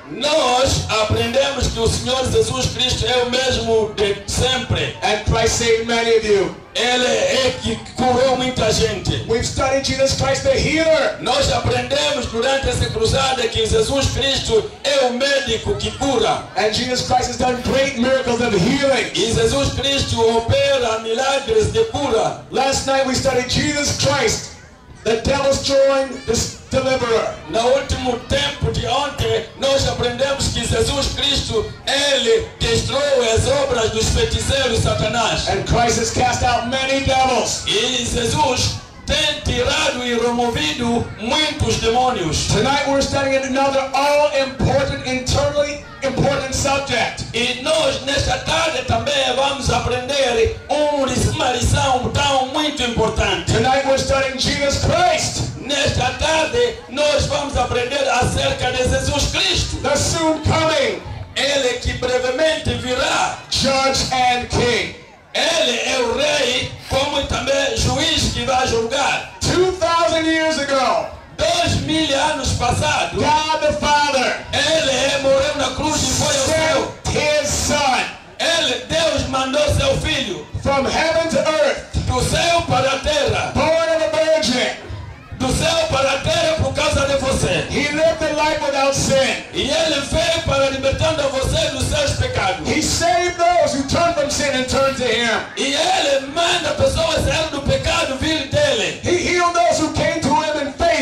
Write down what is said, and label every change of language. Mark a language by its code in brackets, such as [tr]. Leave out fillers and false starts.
[pt] Nós aprendemos que o Senhor Jesus Cristo é o mesmo de sempre. [en] And Christ saved many of you. [pt] Ele é que curou muita gente. [en] We've studied Jesus Christ the Healer. [pt] Nós aprendemos durante essa cruzada que Jesus Cristo é o médico que cura. [en] And Jesus Christ has done great miracles of healing. [pt] E Jesus Cristo opera milagres de cura. [en] Last night we studied Jesus Christ, the devil's joined this deliverer. [pt] No último tempo de ontem, nós aprendemos que Jesus Cristo, ele destruiu as obras dos feiticeiros Satanás. [en] And Christ has cast out many devils. [pt] E Jesus tem tirado e removido muitos demônios. [en] Tonight we're studying another all important, internally important subject. [pt] E nós nesta tarde também vamos aprender uma lição tão muito importante. [en] Tonight we're studying Jesus Christ. [pt] Nesta tarde nós vamos aprender acerca de Jesus Cristo. [en] The soon coming. [pt] Ele que brevemente virá. [en] Judge and King. [pt] Ele é o rei, como também juiz que vai julgar. [en] 2,000 years ago. [pt] 2,000 anos passado. [en] God the Father. [pt] Ele é morreu na cruz e foi ao céu. [en] His Son. [pt] Ele, Deus mandou seu filho. [en] From heaven to earth. [pt] Do céu para a terra. [en] Born of a virgin. [pt] Do céu para a terra por causa de você. [en] He lived a life without sin. [pt] E ele veio para libertando você dos seus pecados. [en] He saved those who turned from sin and turned to him. [pt] E ele manda pessoas saindo do pecado vir dele. [en] He healed those who came to him and